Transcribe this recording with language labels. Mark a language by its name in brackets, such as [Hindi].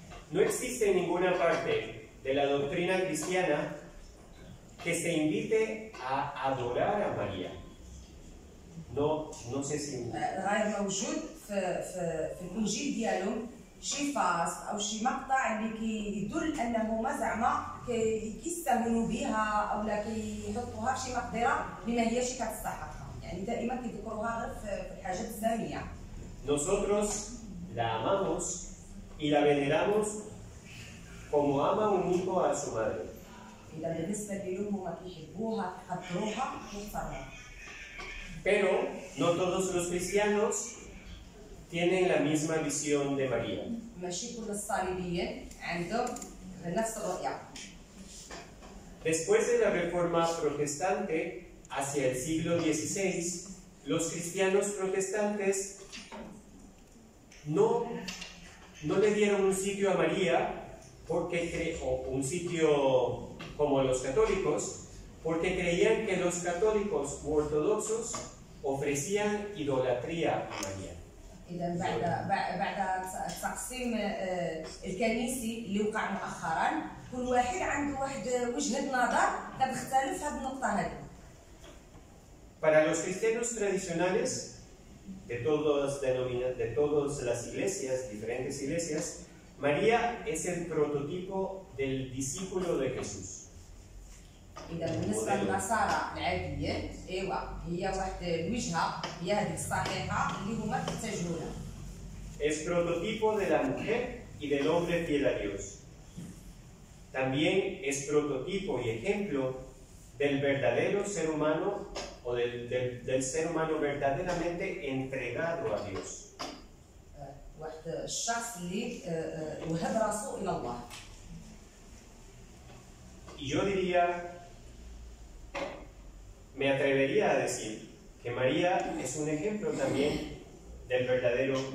[Spanish] No existe en ninguna parte de la doctrina cristiana que se invite a adorar a María. No, no sé si. [Arabic] غير موجود في الإنجيل ديالهم شي فاس أو شي مقطع اللي كيدل أنه ما زعما كيستهونوا بها أو لا كيحطوها شي مقدرة لما هي شي كتستحقها. يعني دائما كيذكروها غير في الحاجات الثانية. [Spanish] Nosotros la amamos y la veneramos como ama un hijo a su madre. [Arabic] إذا بالنسبة ليهم هما كيحبوها كيقدروها كيحترموها. [Spanish] Pero no todos los cristianos tienen la misma visión de María. [Arabic] ماشي كل الصليبيين عندهم نفس الرؤية. [Spanish] Después de la reforma protestante hacia el siglo XVI, los cristianos protestantes no le dieron un sitio a María porque creó un sitio como los católicos, porque creían que los católicos u ortodoxos ofrecían idolatría a María. [Arabic] إذن بعد التقسيم الكنيسي اللي وقع مؤخرا كل واحد عنده واحد وجهة نظر كتختلف هذه النقطة هذه. [Spanish] Para los cristianos tradicionales de todas las iglesias, diferentes iglesias, María es el prototipo del discípulo de Jesús. [Arabic] إذا بالنسبة للنصارى العادية إيوا هي واحد الوجهة هي هذيك الصحيحة اللي هما كيتجهوا لها. [Spanish] Es prototipo de la mujer y del hombre fiel a Dios. También es prototipo y ejemplo del verdadero ser humano o del ser humano verdaderamente entregado a Dios. [Arabic] واحد الشخص اللي وهب راسه إلى الله. [Spanish] Y yo diría, me atrevería a decir que María es un ejemplo también del verdadero